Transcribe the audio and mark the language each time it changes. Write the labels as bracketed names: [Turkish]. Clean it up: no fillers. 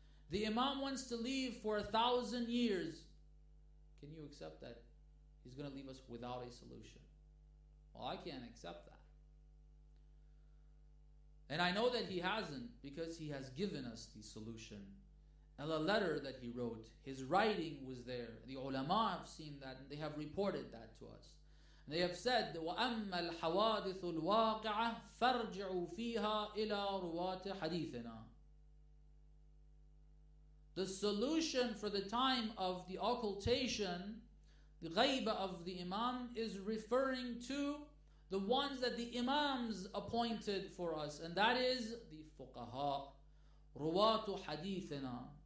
[English] The Imam wants to leave for 1,000 years. Can you accept that he's going to leave us without a solution? Well, I can't accept that. And I know that he hasn't, because he has given us the solution. And the letter that he wrote, his writing was there. The ulama have seen that, and they have reported that to us. They have said, [Arabic] وَأَمَّا الْحَوَادِثُ الْوَاقِعَةِ فَارْجِعُوا فِيهَا إِلَىٰ رُوَاتِ حَدِيثِنَا. [English] The solution for the time of the occultation, the ghaiba of the Imam, is referring to the ones that the Imams appointed for us, and that is the fuqaha, [Arabic] رُوَاتُ حَدِيثِنَا.